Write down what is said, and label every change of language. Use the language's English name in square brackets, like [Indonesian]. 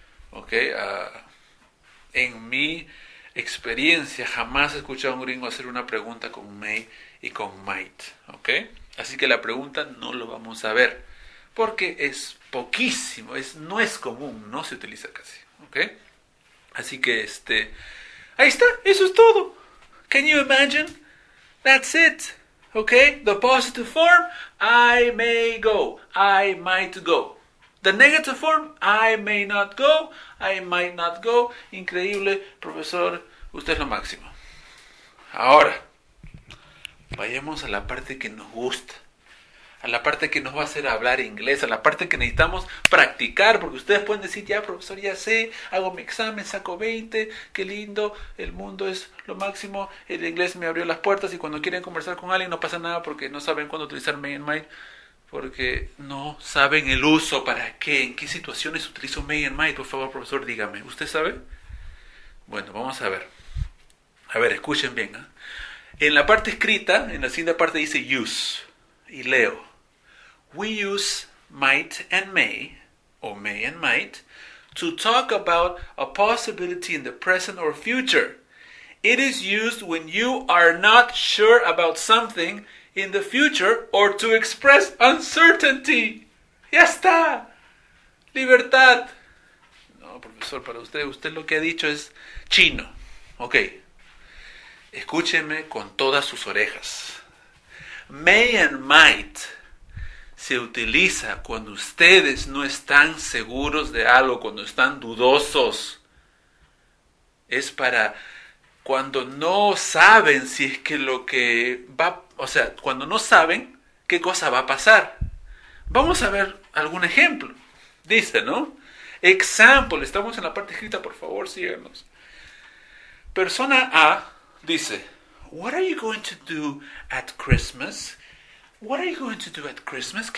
[Spanish] Okay, en mi experiencia jamás he escuchado a un gringo hacer una pregunta con may y con might. Okay, así que la pregunta no lo vamos a ver porque es poquísimo, no es común, no se utiliza casi. Okay, así que ahí está, eso es todo. [English] Can you imagine? That's it. Okay, the positive form, I may go, I might go. The negative form, I may not go, I might not go. [Spanish] Increíble, profesor, usted es lo máximo. Ahora, vayamos a la parte que nos gusta, a la parte que nos va a hacer hablar inglés, a la parte que necesitamos practicar, porque ustedes pueden decir, ya, profesor, ya sé, hago mi examen, saco 20, qué lindo, el mundo es lo máximo, el inglés me abrió las puertas y cuando quieren conversar con alguien no pasa nada porque no saben cuándo utilizar may and might, porque no saben el uso, para qué, en qué situaciones utilizo may and might, por favor, profesor, dígame, ¿usted sabe? Bueno, vamos a ver. A ver, escuchen bien, ¿eh? En la parte escrita, en la siguiente parte dice use. Y leo, [English] we use might and may, o may and might, to talk about a possibility in the present or future. It is used when you are not sure about something in the future or to express uncertainty. [Spanish] ¡Ya está! ¡Libertad! No, profesor, para usted lo que ha dicho es chino. Ok, escúcheme con todas sus orejas. May and might se utiliza cuando ustedes no están seguros de algo, cuando están dudosos. Es para cuando no saben si es que lo que va, o sea, cuando no saben qué cosa va a pasar. Vamos a ver algún ejemplo. Dice, ¿no? Example, estamos en la parte escrita, por favor, síganos. Persona A dice, [English] what are you going to do at Christmas? What are you going to do at Christmas?